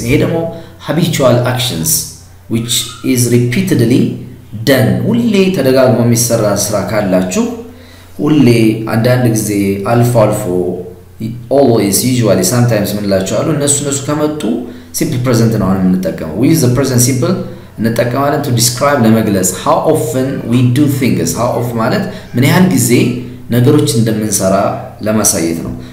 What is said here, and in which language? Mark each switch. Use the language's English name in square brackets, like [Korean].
[Amharic] ይሄ ደግሞ [English] habitual actions which is repeatedly done. [Amharic] ሁሌ ተደጋግሞ የሚሰራ ስራ ካላችሁ ሁሌ አንዳንድ ጊዜ አልፎ አልፎ [English] always usually sometimes [Amharic] ምንላችሁ አሉ እነሱ ከመጡ simple present ነው አሁን የምንጠቀመው. [English] We use the present simple [Amharic] እንጠቀማለን [English] to describe [Amharic] ለመግለጽ [English] how often we do things. [Amharic] How often ማለት ምን ያህል ጊዜ ነገሮች እንደምንሰራ ለማሳየት ነው.